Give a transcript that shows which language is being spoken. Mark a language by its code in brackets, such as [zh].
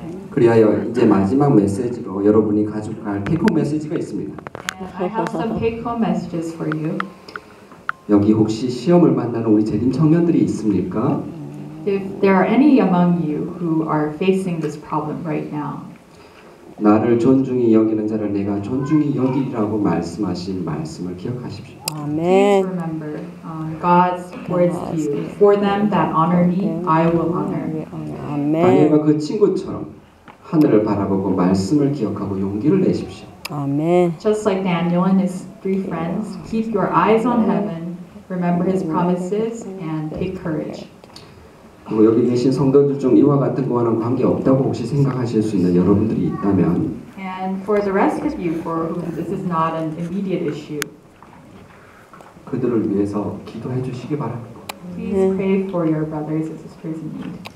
[ko] 그리하여 이제 마지막 메시지로 여러분이 가지고 갈 take-home 메시지가 있습니다. [en] I have some take-home messages for you. [ko] 여기 혹시 시험을 만나는 우리 재림 청년들이 있습니까? [en] If there are any among you who are facing this problem right now, [ko] 나를 존중히 여기는 자를 내가 존중히 여기리라고 말씀하신 말씀을 기억하십시오. [en] Amen. Please remember God's words to you. For them that honor me, I will honor. Amen. [ko] 다니엘과 그 친구처럼 하늘을 바라보고 말씀을 기억하고 용기를 내십시오. [en] Amen. Just like Daniel and his three friends, keep your eyes on heaven, remember his promises, and take courage. [ko] 그리고 여기 계신 성도들 중 이와 같은 거와는 관계 없다고 혹시 생각하실 수 있는 여러분들이 있다면, [en] and for the rest of you, for whom this is not an immediate issue, [ko] 그들을 위해서 기도해 주시기 바랍니다. [en] Please pray for your brothers and sisters in need.